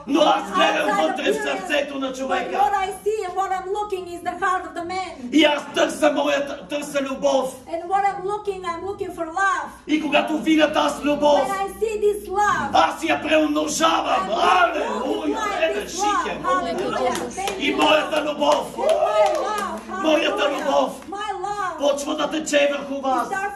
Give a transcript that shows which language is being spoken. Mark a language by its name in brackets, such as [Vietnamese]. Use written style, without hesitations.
[Bulgarian] Но аз гледам вътре в сърцето на човека. [English] But what I see and what I'm looking is the heart of the man. [Bulgarian] И аз търся моята, търся любов. [English] And what I'm looking for love. [Bulgarian] И когато видя тази любов, [English] when I see this love, [Bulgarian] аз я преумножавам. Алелуя! Алелуя! И моята любов, моята любов почва да тече върху вас.